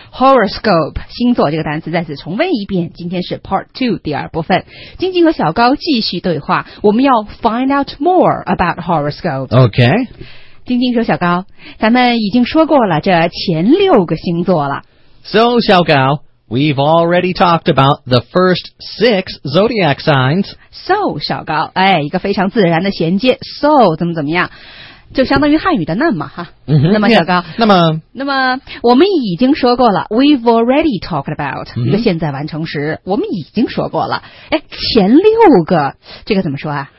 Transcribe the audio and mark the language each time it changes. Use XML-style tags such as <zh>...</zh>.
<zh>Horoscope, 星座这个单词再次重温一遍。今天是 Part 2, 第二部分。晶晶和小高继续对话，我们要</zh> <en>find out more about horoscope. Okay.</en> <zh>晶晶说小高，咱们已经说过了这前六个星座了。</zh> <en>So, 小高, we've already talked about the first six zodiac signs.</en> <zh>So, 小高,哎,一个非常自然的衔接。So, 怎么怎么样? 就相当于汉语的那么哈。 Mm-hmm, 那么小高。 Yeah, 那么我们已经说过了 ,</zh> <en>we've already talked about,、</en> <zh>mm-hmm. 一个现在完成时我们已经说过了。哎,前六个这个怎么说啊</zh>